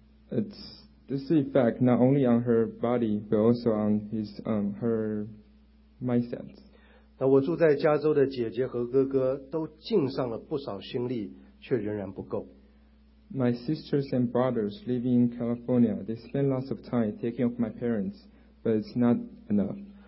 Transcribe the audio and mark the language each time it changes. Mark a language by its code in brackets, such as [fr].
[en] it's this effect not only on her body, but also on her mindset. [zh] 那我住在加州的姐姐和哥哥都尽上了不少心力，却仍然不够。 [en] My sisters and brothers living in California, they spend lots of time taking of my parents, but it's not enough.